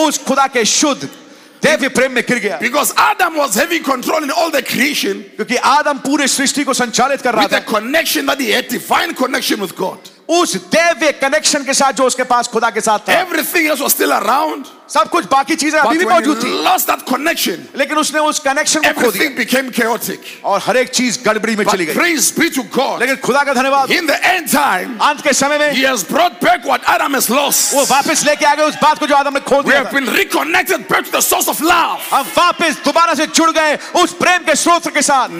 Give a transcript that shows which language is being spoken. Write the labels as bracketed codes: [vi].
[hi] उस खुदा के शुद्ध दैवीय प्रेम में गिर गया। [en] Because Adam was having control in all the creation. [hi] क्योंकि आदम पूरे सृष्टि को संचालित कर रहा था। [en] With the connection that he had, divine connection with God. [hi] उस दैवीय कनेक्शन के साथ जो उसके पास खुदा के साथ था। [en] Everything else was still around. [hi] सब कुछ बाकी चीजें अभी भी मौजूद थी। [en] Lost that connection. [hi] लेकिन उसने उस कनेक्शन को खो दिया। [en] Everything became chaotic. [hi] और हर एक चीज गड़बड़ी में चली गई। [en] Praise be to God. [hi] लेकिन खुदा का धन्यवाद। [en] In the end time. [hi] अंत के समय में। [en] He has brought back what Adam has lost. [hi] वो वापस लेके आ गए उस बात को जो आदम ने खो दिया। [en] We have been reconnected back to the source of love. [hi] हम वापस दोबारा से जुड़ गए उस प्रेम के स्रोत के साथ।